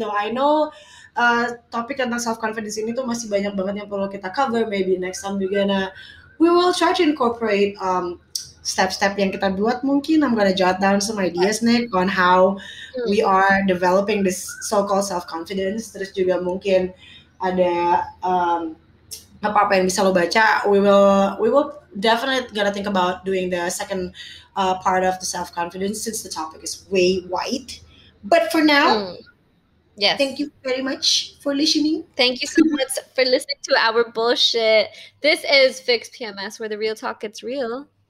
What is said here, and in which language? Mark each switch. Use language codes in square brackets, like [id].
[en] Though I know [id] topik tentang self confidence ini tuh masih banyak banget yang perlu kita cover. [en] Maybe next time we will try to incorporate step-step [id] yang kita buat. Mungkin [en] I'm gonna jot down some ideas, Nick, on how we are developing this so-called self confidence. [id] Terus juga mungkin ada apa-apa yang bisa lo baca. [en] We will definitely gonna think about doing the second part of the self confidence since the topic is way wide. But for now, yes. Thank you very much for listening. Thank you so much for listening to our bullshit. This is Fix PMS, where the real talk gets real.